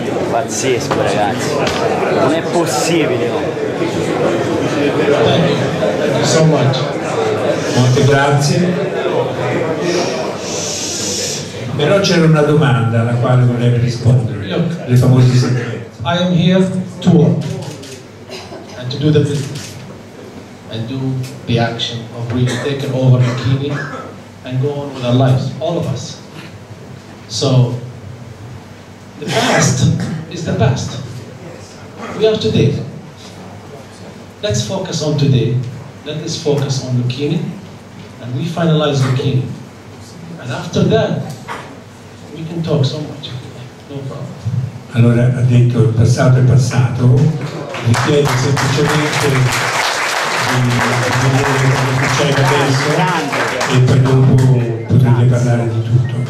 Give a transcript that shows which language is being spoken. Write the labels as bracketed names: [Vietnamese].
[Italian] Pazzesco, ragazzi, non è possibile. [English] Thank you so much. [Italian] Molte grazie. Però c'era una domanda alla quale volevo rispondere. [English] Look, [Italian] le famose sentenze. [English] I am here to work and to do the business and do the action of really taking over Lucchini and go on with our lives, all of us. So the past is the past. We are today. Let's focus on today. Let us focus on Lucchini and we finalize Lucchini. And after that, we can talk so much. No problem. [Italian] Allora ha detto il passato è passato, mi chiede semplicemente di vedere che c'è adesso e poi dopo potrete parlare di tutto.